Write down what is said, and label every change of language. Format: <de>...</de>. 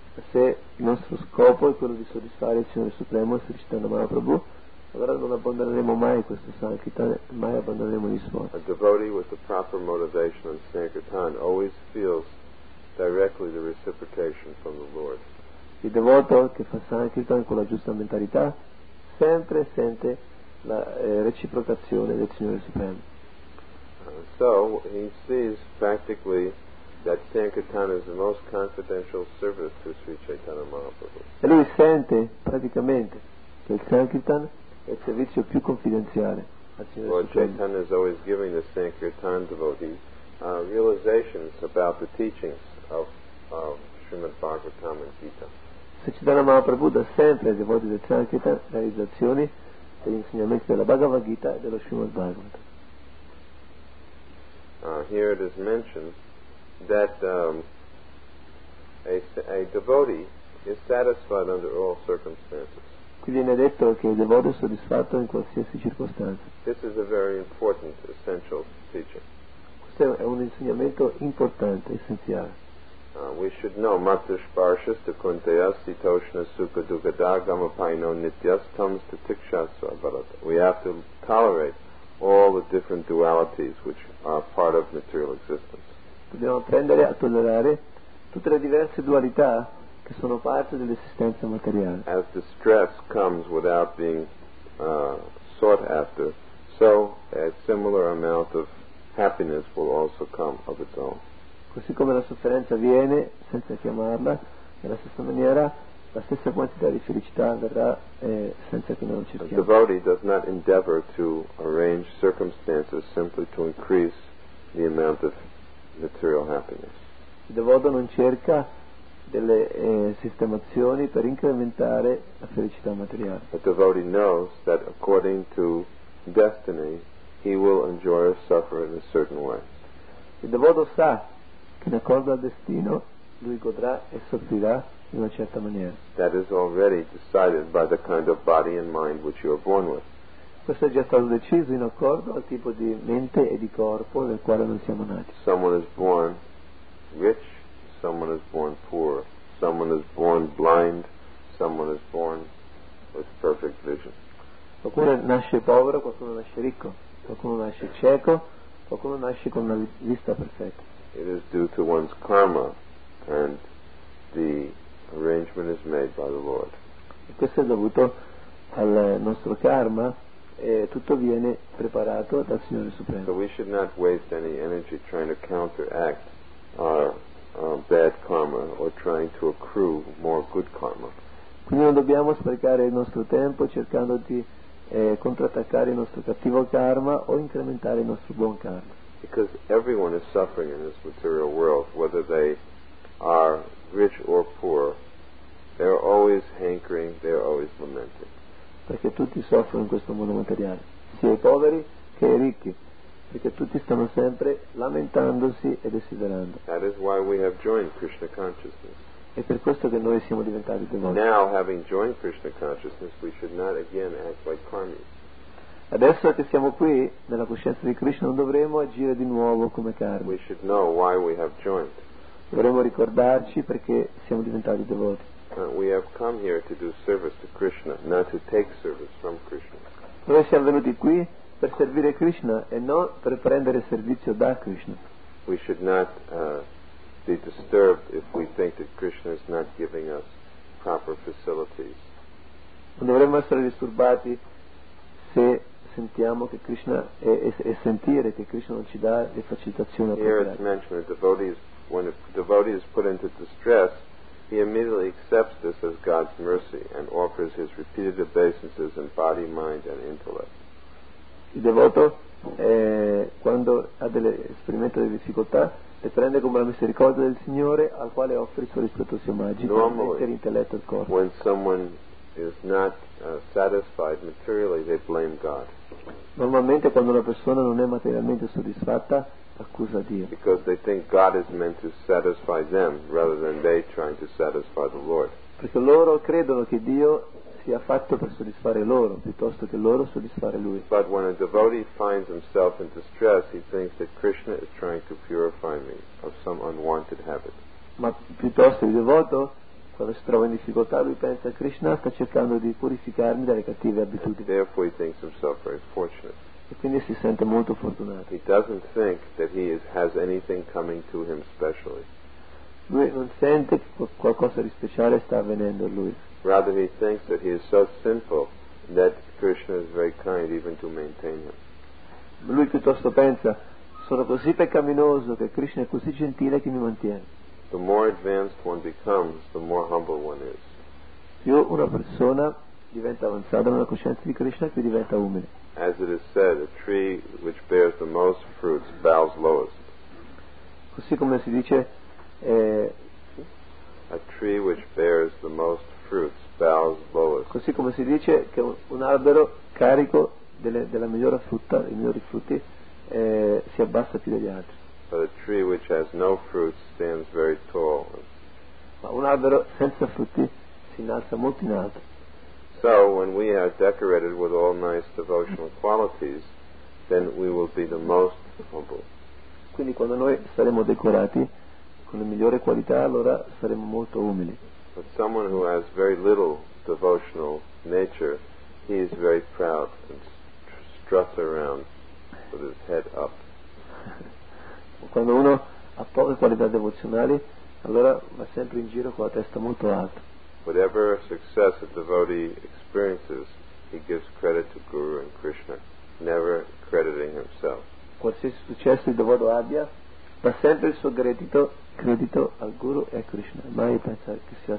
<it>se il nostro scopo è quello di soddisfare il Signore Supremo, se ci stanno male a Prabhu, allora non abbandoneremo mai questo Sankirtan, mai abbandoneremo gli sforzi.</it> <en>A devotee with the proper motivation in Sankirtan always feels directly the reciprocation from the Lord.</en> <it>Il devoto che fa Sankirtan con la giusta mentalità sempre sente la reciprocazione del Signore Supremo.</it> <en>So he sees practically that Sankirtan is the most confidential service to Sri Chaitanya Mahaprabhu.</en> <it>E lui sente praticamente che il Sankirtan è il servizio più confidenziale al Signore Supremo.</it> <en>Lord Chaitanya is always giving the Sankirtan devotees realizations about the teachings of Srimad Bhagavatam and Gita.</en> <it>Sri Chaitanya Mahaprabhu dà sempre ai devoti del Sankirtan realizzazioni degli insegnamenti della Bhagavad Gita e dello Srimad Bhagavatam.</it> <en>Here it is mentioned that a devotee is satisfied under all circumstances.</en> <it>Qui viene detto che il devoto è soddisfatto in qualsiasi circostanza.</it> <en>This is a very important, essential teaching.</en> <it>Questo è un insegnamento importante, essenziale.</it> <sa>We should know Matrishparshas to Kuntayas Sitoshna Sukha Dukada Gamapaino Nityas Tams to Tikshasva Bharata.</sa> <en>We have to tolerate all the different dualities which are part of material existence.</en> <it>Dobbiamo apprendere a tollerare tutte le diverse dualità che sono parte dell'esistenza materiale.</it> <en>As the stress comes without being sought after, so a similar amount of happiness will also come of its own.</en> <it>Così come la sofferenza viene senza chiamarla, nella stessa maniera la stessa quantità di felicità verrà senza che noi ci richiamiamo.</it> <en>The devotee does not endeavor to arrange circumstances simply to increase the amount of material happiness.</en> <it>Il devoto non cerca delle sistemazioni per incrementare la felicità materiale.</it> <en>The devotee knows that according to destiny he will enjoy or suffer in a certain way.</en> <it>Il devoto sa che in accordo al destino lui godrà e soffrirà in una certa maniera.</it> <en>That is already decided by the kind of body and mind which you are born with.</en> <it>Questo è già stato deciso in accordo al tipo di mente e di corpo nel quale noi siamo nati.</it> <en>Someone is born rich, someone is born poor, someone is born blind, someone is born with perfect vision.</en> <it>Qualcuno nasce povero, qualcuno nasce ricco, qualcuno nasce cieco, qualcuno nasce con una vista perfetta.</it> <en>It is due to one's karma and the arrangement is made by the Lord.</en> <it>E questo è dovuto al nostro karma e tutto viene preparato dal Signore Supremo.</it> <en>So we should not waste any energy trying to counteract our bad karma or trying to accrue more good karma.</en> <it>Quindi non dobbiamo sprecare il nostro tempo cercando di contrattaccare il nostro cattivo karma o incrementare il nostro buon karma.</it> <en>Because everyone is suffering in this material world, whether they are rich or poor, they are always hankering, they are always lamenting.</en> <it>Perché tutti soffrono in questo mondo materiale, sia i poveri che i ricchi, perché tutti stanno sempre lamentandosi e desiderando.</it> <en>That is why we have joined Krishna consciousness.</en> <it>È per questo che noi siamo diventati devoti.</it> <en>Now, having joined Krishna consciousness, we should not again act like karmis.</en> <it>Adesso che siamo qui nella coscienza di Krishna, non dovremo agire di nuovo come karmi.</it> <en>We should know why we have joined.</en> <it>Dovremmo ricordarci perché siamo diventati devoti.</it> <en>We have come here to do service to Krishna, not to take service from Krishna.</en> <it>Noi siamo venuti qui per servire Krishna e non per prendere servizio da Krishna.</it> <en>We should not be disturbed if we think that Krishna is not giving us proper facilities.</en> <it>Non dovremmo essere disturbati se sentiamo che Krishna e sentire che Krishna non ci dà le facilitazioni appropriate.</it> <en>When a devotee is put into distress, he immediately accepts this as God's mercy and offers his repeated obeisances in body, mind, and intellect.</en> <it>Il devoto, quando ha delle esperimenti di difficoltà, le prende come la misericordia del Signore al quale offre il suo rispettoso omaggio, per intelletto e corpo.</it> <en>When someone is not satisfied materially, they blame God.</en> <it>Normalmente, quando una persona non è materialmente soddisfatta, accusa Dio.</it> <en>Because they think God is meant to satisfy them rather than they trying to satisfy the Lord.</en> <it>Perché loro credono che Dio sia fatto per soddisfare loro piuttosto che loro soddisfare Lui.</it> <en>But when a devotee finds himself in distress, he thinks that Krishna is trying to purify me of some unwanted habit.</en> <it>Ma piuttosto il devoto quando si trova in difficoltà lui pensa Krishna sta cercando di purificarmi dalle cattive abitudini.</it> <en>Therefore he thinks himself very fortunate.</en> <it>E quindi si sente molto fortunato.</it> <en>He doesn't think that he has anything coming to him specially.</en> <it>Lui non sente che qualcosa di speciale sta avvenendo a lui.</it> <en>Rather he thinks that he is so sinful that Krishna is very kind even to maintain him.</en> <it>Ma lui piuttosto pensa sono così peccaminoso che Krishna è così gentile che mi mantiene.</it> <en>The more advanced one becomes, the more humble one is.</en> <it>Più una persona diventa avanzata nella coscienza di Krishna, più diventa umile.</it> <en>As it is said, a tree which bears the most fruits bows lowest.</en> <it>Così come si dice,</it> <en>a tree which bears the most fruits bows lowest.</en> <it>Così come si dice che un albero carico della migliore frutta, dei migliori frutti, si abbassa più degli altri.</it> <en>But a tree which has no fruits stands very tall.</en> <it>Ma un albero senza frutti si innalza molto in alto.</it> <en>So when we are decorated with all nice devotional qualities, then we will be the most humble.</en> <it>Quindi quando noi saremo decorati con le migliori qualità, allora saremo molto umili.</it> <en>But someone who has very little devotional nature, he is very proud and struts around with his head up.</en> <it>Quando uno ha poche qualità devozionali, allora va sempre in giro con la testa molto alta.</it> <en>Whatever success a devotee experiences, he gives credit to Guru and Krishna, never crediting himself.</en> <it>Qualsiasi successo il devoto abbia, dà sempre il suo credito al Guru e a Krishna, mai pensare che sia.</it>